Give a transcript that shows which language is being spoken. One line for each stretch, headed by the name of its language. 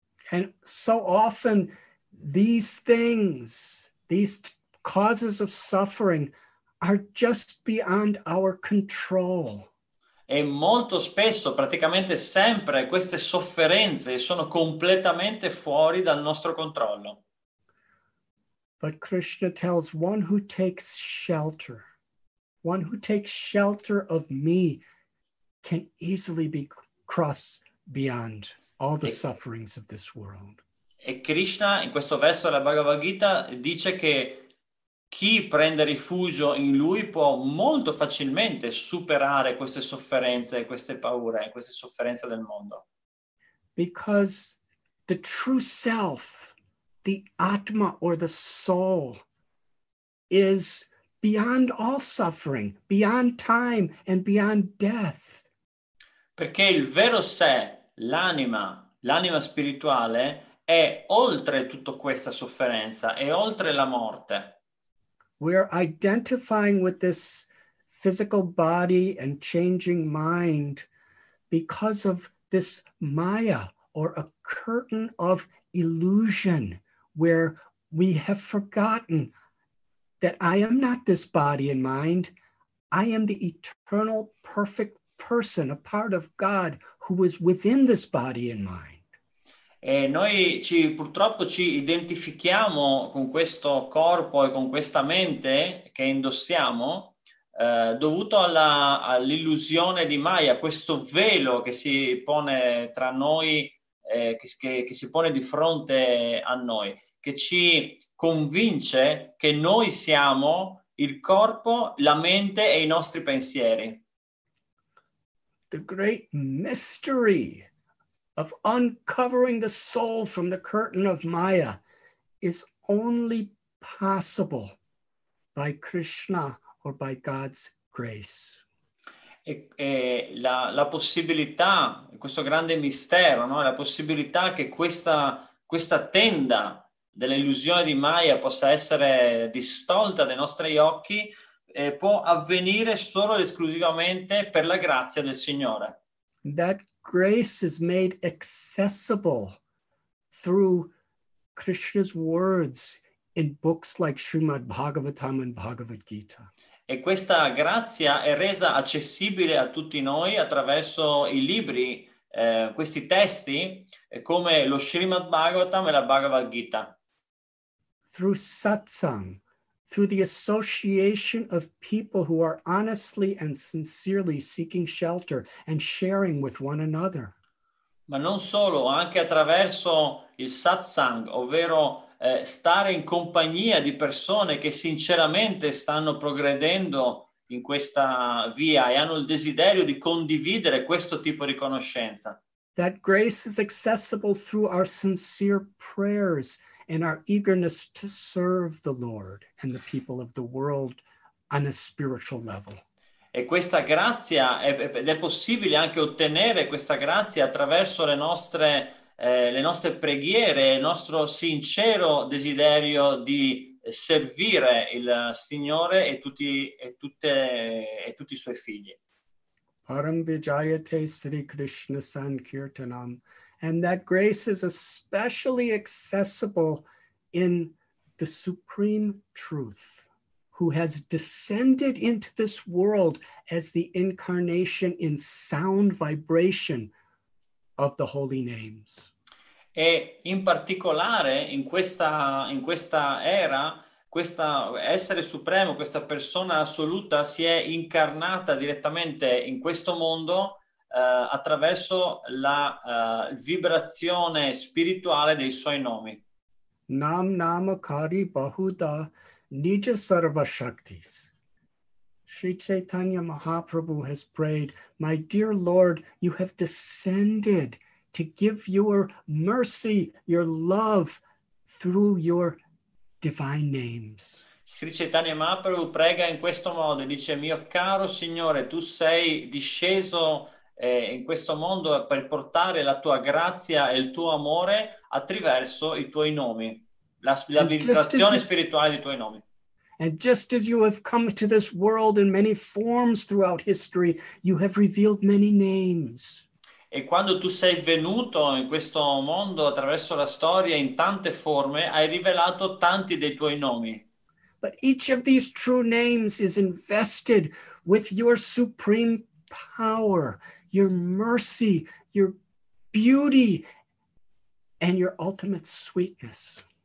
English: And so often these things, these causes of suffering are just beyond our control.
Italian: E molto spesso, praticamente sempre, queste sofferenze sono completamente fuori dal nostro controllo.
English: But Krishna tells one who takes shelter, one who takes shelter of me can easily be crossed beyond all the sufferings of this world.
Italian: E Krishna, in questo verso della Bhagavad Gita, dice che chi prende rifugio in lui può molto facilmente superare queste sofferenze, queste paure, queste sofferenze del mondo.
English: Because the true self, the Atma or the soul, is beyond all suffering, beyond time and beyond death.
Italian: Perché il vero sé, l'anima, l'anima spirituale, è oltre tutta questa sofferenza, è oltre la morte.
English: We're identifying with this physical body and changing mind because of this maya, or a curtain of illusion, where we have forgotten that I am not this body and mind. I am the eternal, perfect person, a part of God who is within this body and mind.
Italian: E noi purtroppo ci identifichiamo con questo corpo e con questa mente che indossiamo dovuto all'illusione di Maya, questo velo che si pone tra noi, che si pone di fronte a noi, che ci convince che noi siamo il corpo, la mente e i nostri pensieri.
English: The great mystery of uncovering the soul from the curtain of Maya is only possible by Krishna or by God's grace.
Italian: E la possibilità, questo grande mistero, no? La possibilità che questa tenda dell'illusione di Maya possa essere distolta dai nostri occhi può avvenire solo ed esclusivamente per la grazia del Signore.
English: That grace is made accessible through Krishna's words in books like Srimad Bhagavatam and Bhagavad Gita.
Italian: E questa grazia è resa accessibile a tutti noi attraverso i libri, questi testi, come lo Srimad Bhagavatam e la Bhagavad Gita.
English: Through satsang, through the association of people who are honestly and sincerely seeking shelter and sharing with one another.
Italian: Ma non solo, anche attraverso il satsang, ovvero stare in compagnia di persone che sinceramente stanno progredendo in questa via e hanno il desiderio di condividere questo tipo di conoscenza.
English: That grace is accessible through our sincere prayers and our eagerness to serve the Lord and the people of the world on a spiritual level.
Italian: E questa grazia è possibile anche ottenere questa grazia attraverso le nostre preghiere, il nostro sincero desiderio di servire il Signore e tutti i suoi figli.
Sanskrit: Param Vijayate Sri Krishna Sankirtanam.
English: And that grace is especially accessible in the Supreme Truth, who has descended into this world as the incarnation in sound vibration of the holy names.
Italian: E in particolare in questa era, questo essere supremo, questa persona assoluta si è incarnata direttamente in questo mondo attraverso la vibrazione spirituale dei suoi nomi.
Sanskrit: Nam namakari bahuta nija sarva shaktis.
English: Sri Chaitanya Mahaprabhu has prayed, "My dear Lord, you have descended to give your mercy, your love through your divine names."
Italian: Sri Chaitanya Mahaprabhu prega in questo modo, dice: "Mio caro Signore, tu sei disceso in questo mondo per portare la tua grazia e il tuo amore attraverso i tuoi nomi, la vibrazione spirituale dei tuoi nomi."
English: And just as you have come to this world in many forms throughout history, you have revealed many names.
Italian: E quando tu sei venuto in questo mondo attraverso la storia in tante forme, hai rivelato tanti dei tuoi nomi.
English: But each of these true names is invested with your supreme power, your mercy, your beauty, and your ultimate sweetness.